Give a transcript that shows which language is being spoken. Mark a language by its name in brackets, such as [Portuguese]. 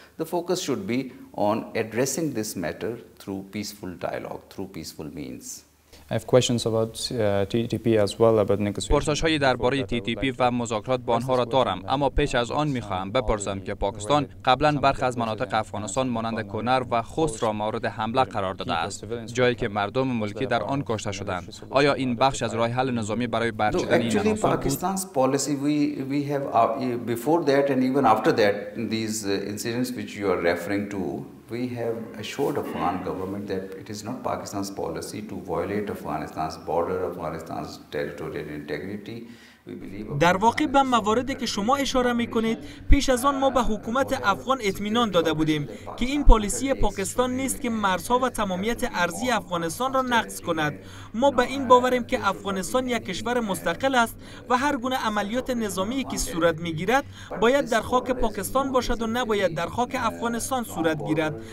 [English] The focus should be on addressing this matter through peaceful dialogue, through peaceful means. I have questions about TTP as well, about negotiations. [Persian] پرسش های درباره TTP و مذاکرات با آنها را دارم، اما پیش از آن می خواهم بپرسم که پاکستان قبلا برخی از مناطق افغانستان مانند کنر و خست را مورد حمله قرار داده است، جایی که مردم ملکی در آن کشته شدند. آیا این بخش از راه حل نظامی برای برچیدن این عناصر بود؟ [English] Pakistan's policy we have before that and even after that these incidents which you are referring to. We have assured Afghan government that it is not Pakistan's policy to violate Afghanistan's border, Afghanistan's territorial integrity. [Persian] در واقع به مواردی که شما اشاره می کنید، پیش از آن ما به حکومت افغان اطمینان داده بودیم که این پالیسی پاکستان نیست که مرزها و تمامیت ارضی افغانستان را نقض کند. ما به این باوریم که افغانستان یک کشور مستقل است و هر گونه عملیات نظامی که صورت می گیرد باید در خاک پاکستان باشد و نباید در خاک افغانستان صورت گیرد.